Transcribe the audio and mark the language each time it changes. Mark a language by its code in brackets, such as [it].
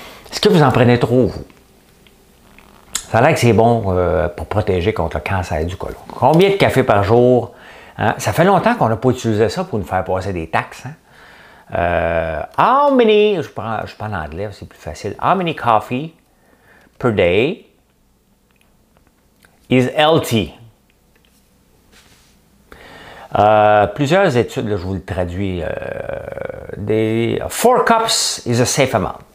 [fr] Est-ce que vous en prenez trop, vous? Ça a l'air que c'est bon pour protéger contre le cancer du côlon. Combien de café par jour Hein? Ça fait longtemps qu'on n'a pas utilisé ça pour nous faire passer des taxes. Hein? [en] How many, [fr] je parle en anglais, c'est plus facile. [en] How many coffee per day is healthy? [fr] Plusieurs études, là, je vous le traduis. [en] Four cups is a safe amount.